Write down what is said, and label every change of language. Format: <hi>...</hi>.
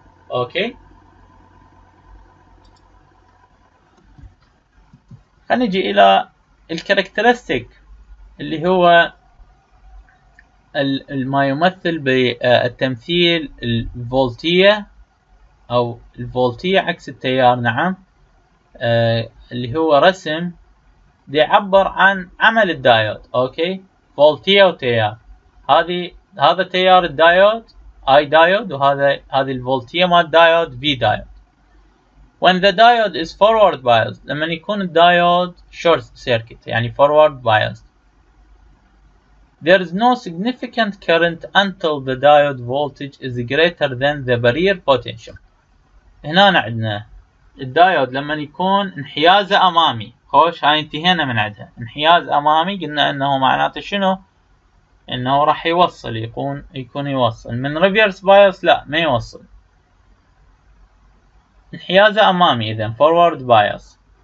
<ar>اوكي خلينا نجي الى الكاركترستيك اللي هو ما يمثل بالتمثيل الفولتية او الفولتية عكس التيار، نعم اللي هو رسم دي يعبر عن عمل الدايود. اوكي فولتية وتيار، هذا تيار الدايود اي دايود، وهذه الفولتية مال الدايود في دايود.</ar> <en>when the diode is forward biased،</en> <ar>لما يكون الدايود</ar> <en>short circuit</en> <ar>يعني</ar> <en>forward biased، there is no significant current until the diode voltage is greater than the barrier potential.</en> <ar>هنا عندنا الدايود لما يكون انحيازه امامي، خوش هاي انتهينا من عندها، انحياز امامي قلنا انه معناته شنو؟ انه راح يوصل، يكون يوصل من ريفيرس بايس، لا ما يوصل، انحيازه امامي اذا فورورد بايس.</ar>